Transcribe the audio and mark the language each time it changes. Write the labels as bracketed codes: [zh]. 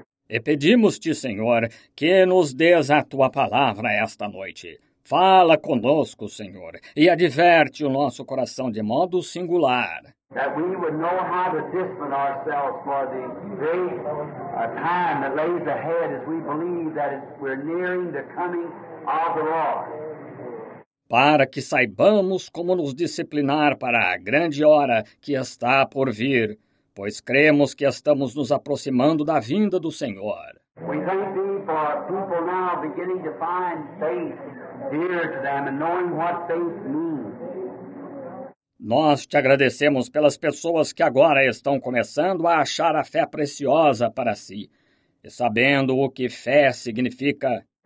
[pt] E pedimos-te, Senhor, que nos dês a tua palavra esta noite. Fala conosco, Senhor, e adverte o nosso coração de modo singular. [en] That we would know how to discipline ourselves for the great time that lays ahead as we believe that we're nearing the coming of the Lord. [pt] Para que saibamos como nos disciplinar para a grande hora que está por vir, pois cremos que estamos nos aproximando da vinda do Senhor. [en] We thank thee for people now beginning to find faith dear to them and knowing what faith means. [pt] Nós te agradecemos pelas pessoas que agora estão começando a achar a fé preciosa para si, e sabendo o que fé significa.